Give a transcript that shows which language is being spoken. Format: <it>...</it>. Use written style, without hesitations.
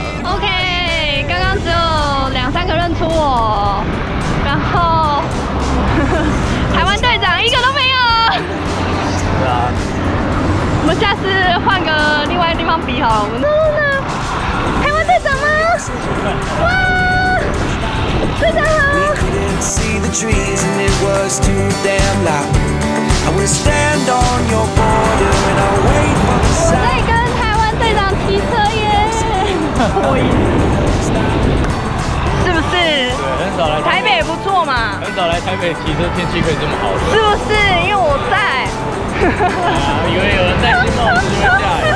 <zh>OK， 刚刚只有2-3个认出我，然后台湾队长一个都没有。是啊，我们下次换个另外一个地方比好了。我们台湾队长吗？哇，队长好。</zh> <en>could see the trees and it was too damn loud. I would stand on your border and I'll wait for the sun.</en> <zh>我在跟台湾队长骑车耶。过瘾。是不是？对，很少来台北也不错嘛。很少来台北骑车，天气可以这么好。是不是？因为我在。啊，以为有人戴新帽子下来。</zh>